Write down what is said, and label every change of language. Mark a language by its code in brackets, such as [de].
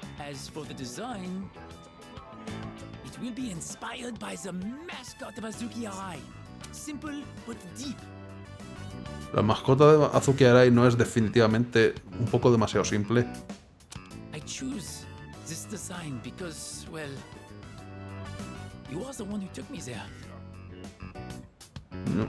[en] As for the design, it will be inspired by the mascot of Azuki Arai. Simple but deep. [es] La mascota de Azuki Arai no es definitivamente un poco demasiado simple. [en] I choose this design because, well, you are the one who took me there.